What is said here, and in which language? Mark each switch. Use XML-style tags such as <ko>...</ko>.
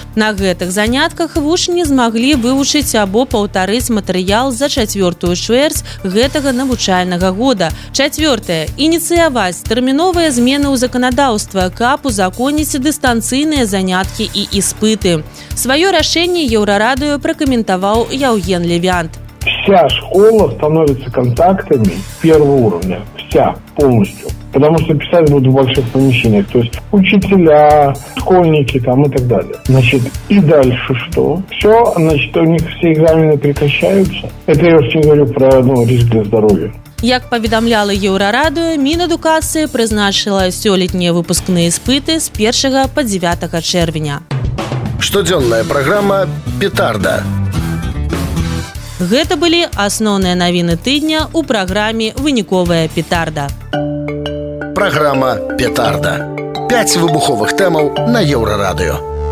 <be>На гэтых занятках вучні змаглі вывучыць або паўтарыць матэрыял за чацвёртую чвэрць гэтага навучальнага года. Чацвёртае. Ініцыяваць тэрміновыя змены ў заканадаўства, каб узаконіць дыстанцыйныя заняткі і іспыты. Сваё рашэнне Еўрарадыё пракаментаваў Яўген Лівянт.</be> <ru>Вся школа становится контактами первого уровня. Вся, полностью. Потому что писать будут в больших помещениях. То есть учителя, школьники там и так далее. Значит, и дальше что? Все, значит, у них все экзамены прекращаются. Это я очень говорю про риск для здоровья.</ru> <be>Як паведамляла Еўрарадыё, Мінадукацыя прызначыла сёлетнія выпускныя іспыты з 1 па 9 чэрвеня. Штодзённая праграма «Петарда». Гэта былі асноўныя навіны тыдня ў праграме «Выніковая петарда». Праграма «Петарда». 5 выбуховых тэмаў на Еўрарадыё.</be>